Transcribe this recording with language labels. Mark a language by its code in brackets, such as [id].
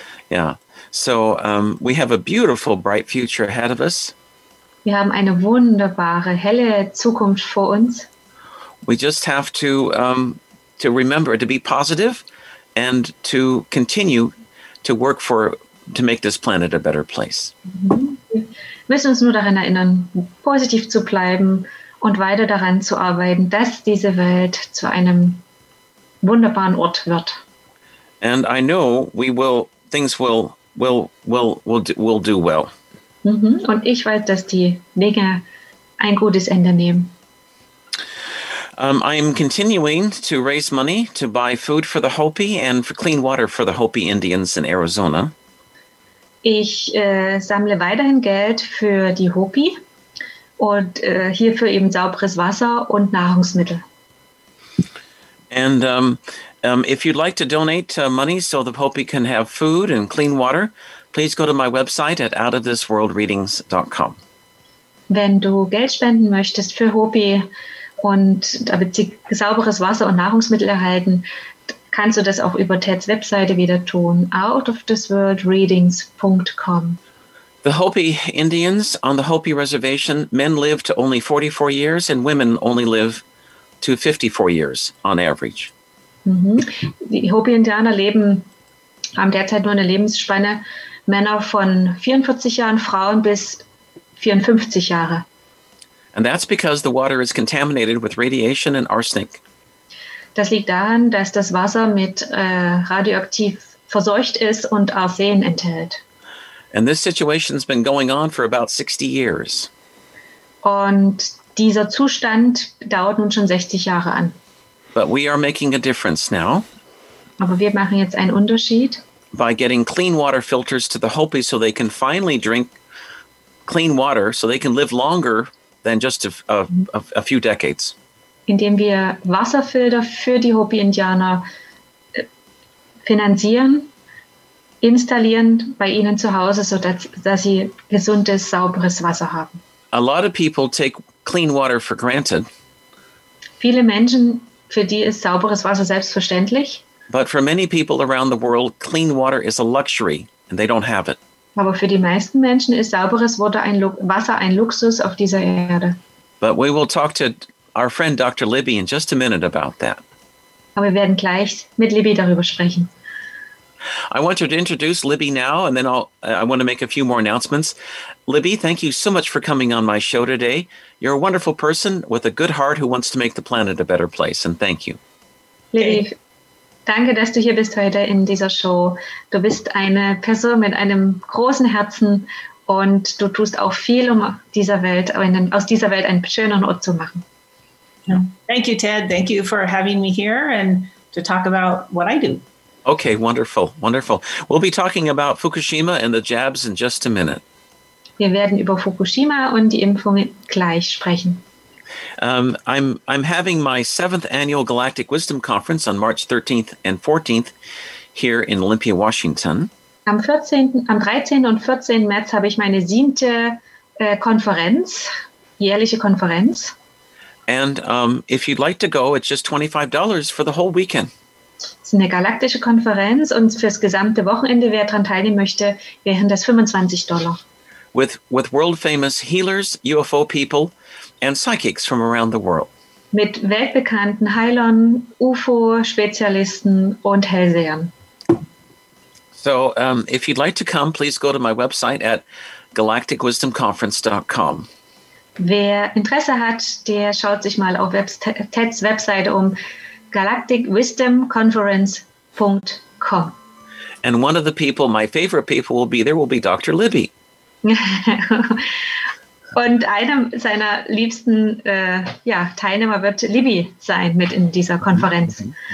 [en] Yeah, so we have a beautiful, bright future ahead of us. [de] Wir haben eine wunderbare, helle Zukunft vor uns. [en] We just have to remember to be positive and to continue to work to make this planet a better place. [de] Wir müssen uns nur daran erinnern, positiv zu bleiben und weiter daran zu arbeiten, dass diese Welt zu einem wunderbaren Ort wird. [en] And I know we will, things will do well. [de] Und ich weiß, dass die Dinge ein gutes Ende nehmen. [en] I'm continuing to raise money to buy food for the Hopi and for clean water for the Hopi Indians in Arizona. [de] Ich sammle weiterhin Geld für die Hopi und hierfür eben sauberes Wasser und Nahrungsmittel. [en] And if you'd like to donate money so the Hopi can have food and clean water, please go to my website at outofthisworldreadings.com. [de] Wenn du Geld spenden möchtest für Hopi und damit sie sauberes Wasser und Nahrungsmittel erhalten, kannst du das auch über Teds Webseite wieder tun, outofthisworldreadings.com. [en] The Hopi Indians on the Hopi Reservation, men live to only 44 years and women only live to 54 years on average. Mm-hmm. [de] Die Hopi-Indianer leben, haben derzeit nur eine Lebensspanne, Männer von 44 Jahren, Frauen bis 54 Jahre. [en] And that's because the water is contaminated with radiation and arsenic. [de] Das liegt daran, dass das Wasser mit radioaktiv verseucht ist und Arsen enthält. [en] And this situation has been going on for about 60 years. [de] Und dieser Zustand dauert nun schon 60 Jahre an. [en] But we are making a difference now. [de] Aber wir machen jetzt einen Unterschied. [en] By getting clean water filters to the Hopi so they can finally drink clean water, so they can live longer than just a few decades. [de] Indem wir Wasserfilter für die Hopi-Indianer finanzieren, installieren bei ihnen zu Hause, sodass sie gesundes, sauberes Wasser haben. [en] A lot of people take clean water for granted. [de] Viele Menschen, für die ist sauberes Wasser selbstverständlich. [en] But for many people around the world, clean water is a luxury and they don't have it. [de] Aber für die meisten Menschen ist sauberes Wasser ein Luxus auf dieser Erde. [en] But we will talk to our friend Dr. Libby in just a minute about that. [de] Aber wir werden gleich mit Libby darüber sprechen. [en] I want to introduce Libby now and then I want to make a few more announcements. Libby, thank you so much for coming on my show today. You're a wonderful person with a good heart who wants to make the planet a better place, and thank you. [de] Libby, danke, dass du hier bist heute in dieser Show. Du bist eine Person mit einem großen Herzen und du tust auch viel, um aus dieser Welt einen schöneren Ort zu machen. [en] Thank you, Ted. Thank you for having me here and to talk about what I do. Okay, wonderful, wonderful. We'll be talking about Fukushima and the jabs in just a minute. [de] Wir werden über Fukushima und die Impfungen gleich sprechen. [en] I'm having my 7th annual Galactic Wisdom Conference on March 13th and 14th here in Olympia, Washington. [de] Am 13. und 14. März habe ich meine 7. Konferenz, jährliche Konferenz. [en] And if you'd like to go, it's just $25 for the whole weekend. [de] Es ist eine galaktische Konferenz und fürs gesamte Wochenende, wer daran teilnehmen möchte, wären das $25. [en] With world famous healers, UFO people and psychics from around the world. [de] Mit weltbekannten Heilern, UFO-Spezialisten und Hellsehern. [en] So if you'd like to come, please go to my website at galacticwisdomconference.com. [de] Wer Interesse hat, der schaut sich mal auf Teds Webseite um, galacticwisdomconference.com. [en] And one of the people, my favorite people will be there, will be Dr. Libby. [de] Und einer seiner liebsten Teilnehmer wird Libby sein mit in dieser Konferenz.